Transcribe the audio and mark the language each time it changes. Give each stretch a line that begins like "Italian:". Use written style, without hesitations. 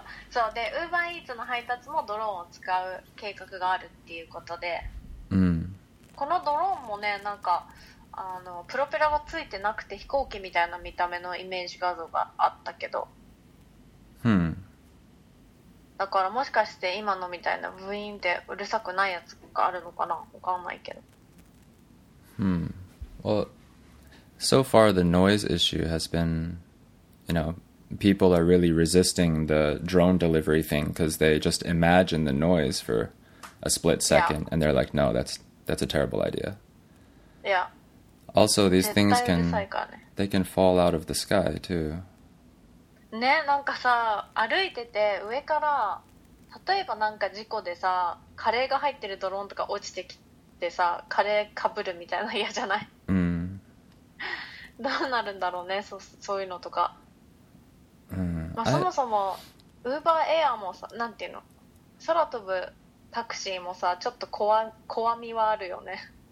Japanese: そうで、ウーバーイーツの配達もドローンを使う計画があるっていうことで、このドローンもね、なんかあのプロペラがついてなくて飛行機みたいな見た目のイメージ画像があったけど、だからもしかして今のみたいなブイーンってうるさくないやつがあるのかな、わかんないけど、
English: Well, so far the noise issue has been, you knowPeople are really resisting the drone delivery thing because they just imagine the noise for a split second, and they're like, no, that's a terrible idea. Yeah. Also, these things can fall out of the sky, too.
Japanese: ね、なんかさ、歩いてて上から、例えばなんか事故でさ、カレーが入ってるドローンとか落ちてきてさ、カレーかぶるみたいな嫌じゃない？うん。どうなるんだろうね、そういうのとか。まあ、そもそも、Uber Air もさ、なんていうの、空飛ぶタクシーもさ、ちょっと怖みはあるよね。